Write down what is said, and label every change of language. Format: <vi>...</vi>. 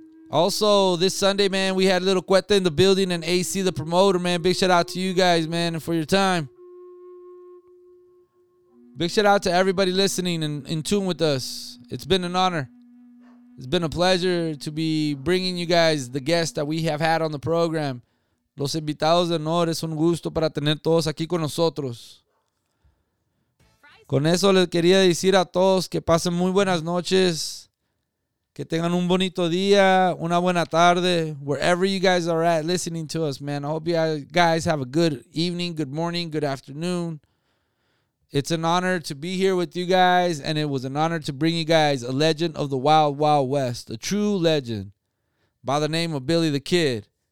<en>Also, this Sunday, man, we had little Cueta in the building and AC the promoter, man. Big shout out to you guys, man, and for your time. Big shout out to everybody listening and in tune with us. It's been an honor. It's been a pleasure to be bringing you guys the guests that we have had on the program.</en> <es>Los invitados de honor, es un gusto para tener todos aquí con nosotros. Con eso les quería decir a todos que pasen muy buenas noches. Que tengan un bonito día, una buena tarde,</es> <en>wherever you guys are at listening to us, man. I hope you guys have a good evening, good morning, good afternoon. It's an honor to be here with you guys, and it was an honor to bring you guys a legend of the Wild Wild West, a true legend by the name of Billy the Kid.</en>